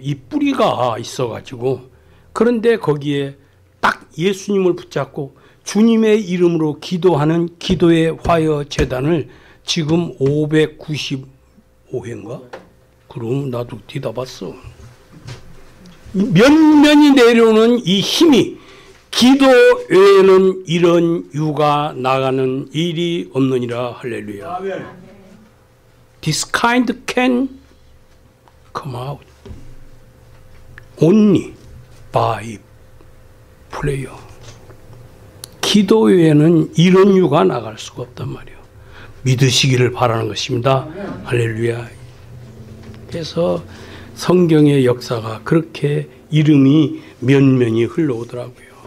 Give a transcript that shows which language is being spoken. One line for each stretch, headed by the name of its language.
Korean: 이 뿌리가 있어가지고 그런데 거기에 딱 예수님을 붙잡고 주님의 이름으로 기도하는 기도의 화요 제단을 지금 595회인가? 그럼 나도 뒤다 봤어. 면면이 내려오는 이 힘이 기도 외에는 이런 유가 나가는 일이 없느니라. 할렐루야.
English: This kind can come out only by prayer.
Korean: 기도 외에는 이런 유가 나갈 수가 없단 말이에요. 믿으시기를 바라는 것입니다. 할렐루야. 그래서 성경의 역사가 그렇게 이름이 면면이 흘러오더라고요.